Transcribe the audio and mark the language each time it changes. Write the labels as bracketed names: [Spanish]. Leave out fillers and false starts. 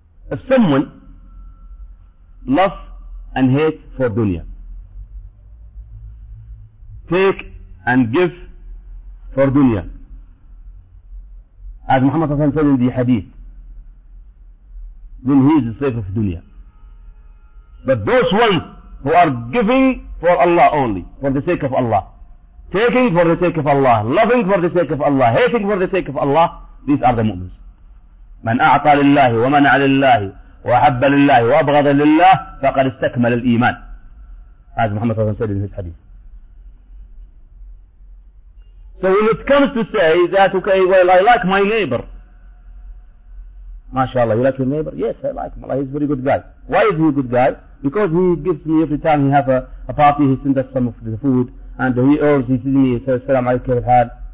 [English] If someone love and hate for dunya, take and give for dunya, as Muhammad Hassan said in the hadith, then he is a slave of dunya. But those ones who are giving for Allah only, for the sake of Allah, taking for the sake of Allah, loving for the sake of Allah, hating for the sake of Allah, these are the mu'mins. [Arabic] من أعطى لله ومنع لله وأحب لله وأبغض لله فقد استكمل الإيمان. هذا محمد صلى الله عليه وسلم في الحديث. [English] So when it comes to say that, okay, well, I like my neighbor. [Arabic] ما شاء الله, [English] you like your neighbor? Yes, I like him. Allah, he's a very good guy. Why is he a good guy? Because he gives me every time he have a party, he sends us some of the food, and he owes, he sees me, he says, Salaam alaykum wa rahmatullah.